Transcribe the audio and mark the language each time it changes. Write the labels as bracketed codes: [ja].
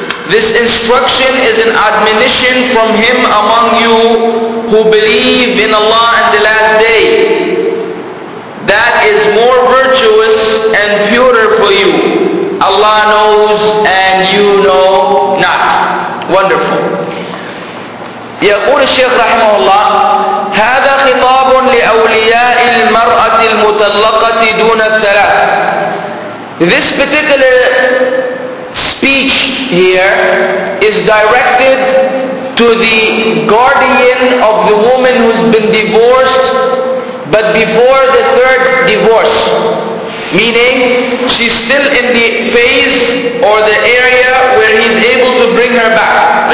[en] This instruction is an admonition from him among you who believe in Allah and the last day. That is more virtuous and purer for you. Allah knows and you know not. Wonderful. [ar] يقول الشيخ رحمه الله هذا خطاب لأولياء المرأة المطلقة دون الثلاث. [en] This particular speech here is directed to the guardian of the woman who's been divorced but before the third divorce. Meaning, she's still in the phase or the area where he's able to bring her back.